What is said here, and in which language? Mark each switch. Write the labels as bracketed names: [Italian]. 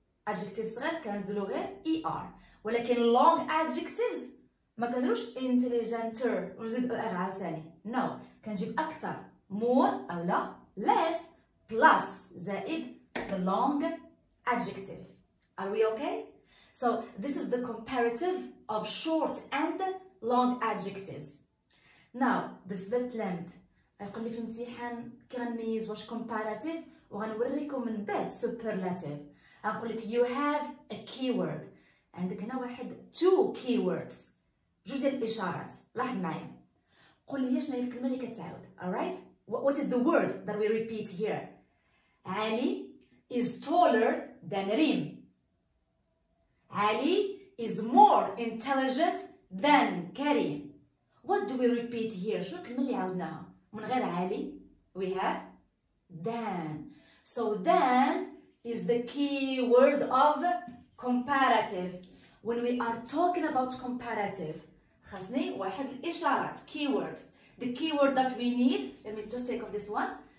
[Arabic] Adjectives صغير كنزيدو غير er. ولكن long adjectives ما كنديروش intelligenter ونزيد er عاوتاني. No, كنجيب أكثر more أو لا less plus زائد [English] the long adjective. Are we okay? So this is the comparative of short and long adjectives. [Arabic] Now, بالنسبة للمد يقول لي في امتحان كنميز واش comparative وغنوريكم من بعد superlative. يقول لك [English] you have a keyword. [Arabic] عندك هنا واحد two keywords. جوج ديال الإشارات. لاحظ معايا. قول لي شنو هي الكلمة اللي كتعاود. [English] Alright? What is the word that we repeat here? Ali is taller than Reem. Ali is more intelligent than Karim. What do we repeat here? [Arabic] شنو الكلمة اللي عاودناها؟ من غير علي [English] we have than. So than is the key word of comparative. When we are talking about comparative [Arabic] خاصني واحد الإشارات [English] keywords. The keyword that we need, let me just take off this one.